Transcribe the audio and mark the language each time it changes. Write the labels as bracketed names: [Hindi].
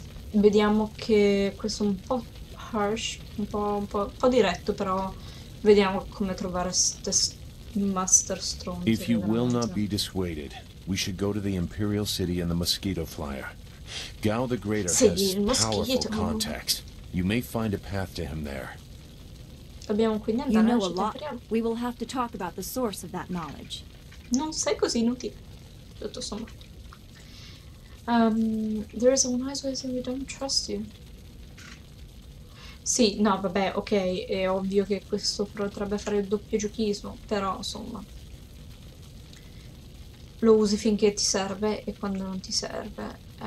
[Italian] Vediamo che questo è un po' harsh, un po' diretto, però vediamo come trovare ste Master Strong. [English] If you will not be dissuaded, we should go to the Imperial City and the Mosquito Flyer. Gao the Greater has powerful contacts. You may find a path to him there. [Italian] Dobbiamo quindi andare. [English] You know a lot. We will have to talk about the source of that knowledge. [Italian] Non sei così inutile, tutto sommato. [English] There is one eyes where we don't trust you. [Italian] Sì, no, vabbè, ok, è ovvio che questo potrebbe fare il doppio giochismo, però insomma. Lo usi finché ti serve e quando non ti serve.